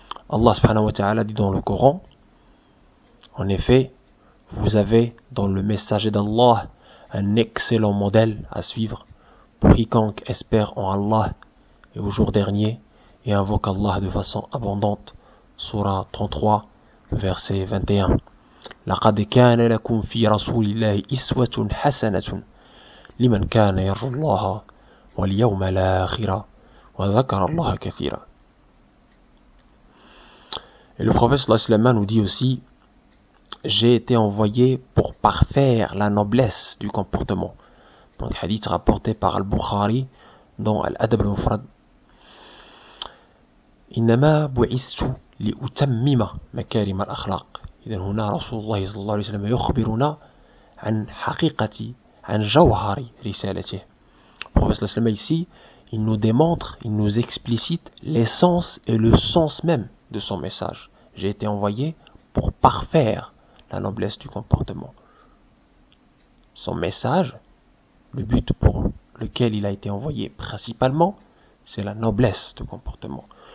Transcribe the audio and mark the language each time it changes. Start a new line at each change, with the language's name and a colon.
French: Allah subhanahu wa ta'ala dit dans le Coran, en effet, vous avez dans le messager d'Allah un excellent modèle à suivre, pour quiconque espère en Allah et au jour dernier et invoque Allah de façon abondante. Sourate 33, verset 21.
Arabic: لقد كان لكم في رسول الله إسوة حسنة لمن كان يرجو الله واليوم الآخر وذكر الله كثيرا.
French: Et le prophète sallallahu alayhi wa sallam nous dit aussi, j'ai été envoyé pour parfaire la noblesse du comportement. Donc, hadith rapporté par Al-Bukhari dans Al-Adab al-Mufrad.
Arabic: إنما بعثت لأتمم مكارم الأخلاق. إذن هنا رسول الله صلى الله عليه وسلم يخبرنا عن حقيقة عن جوهر رسالته.
French: Prophète
Arabic: صلى الله عليه وسلم
French: ici, il nous démontre, il nous explicite l'essence et le sens même de son message. J'ai été envoyé pour parfaire la noblesse du comportement. Son message, le but pour lequel il a été envoyé principalement, c'est la noblesse de comportement.